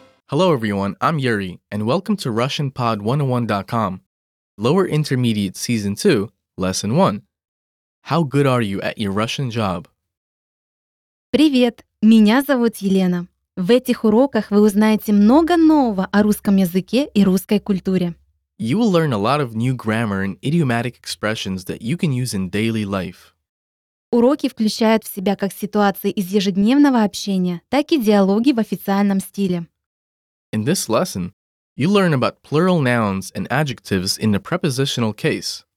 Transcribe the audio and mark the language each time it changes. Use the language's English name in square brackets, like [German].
[English] Hello everyone, I'm Yuri, and welcome to RussianPod101.com, Lower Intermediate Season 2, Lesson 1. How good are you at your Russian job? [Russian] Привет, меня зовут Елена. В этих уроках вы узнаете много нового о русском языке и русской культуре. [English] You will learn a lot of new grammar and idiomatic expressions that you can use in daily life. [Russian] Уроки включают в себя как ситуации из ежедневного общения, так и диалоги в официальном стиле. [English] In this lesson, you learn about plural nouns and adjectives in the prepositional case.